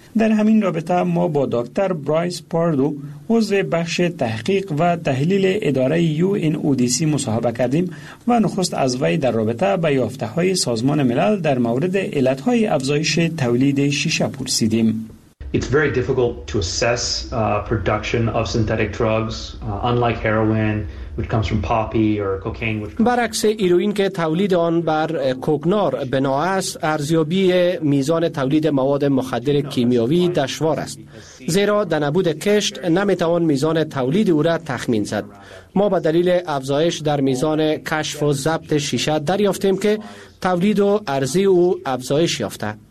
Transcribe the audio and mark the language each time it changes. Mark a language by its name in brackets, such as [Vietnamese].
[Persian] در همین رابطه ما با دکتر برایس پاردو، عضو بخش تحقیق و تحلیل اداره UNODC مصاحبه کردیم و نخست از وی در رابطه با یافته های سازمان ملل در مورد علت های افزایش تولید شیشه پرسیدیم. [English] It's very difficult to assess production of synthetic drugs unlike heroin which comes from poppy or cocaine which comes [Persian] برعکس ایروین که تولید آن بر کوکنار بنا است، ارزیابی میزان تولید مواد مخدر کیمیاوی دشوار است، زیرا در نبود کشت نمیتوان میزان تولید او را تخمین زد. ما به دلیل افزایش در میزان کشف و ضبط شیشه دریافتیم که تولید و ارزی او افزایش یافته.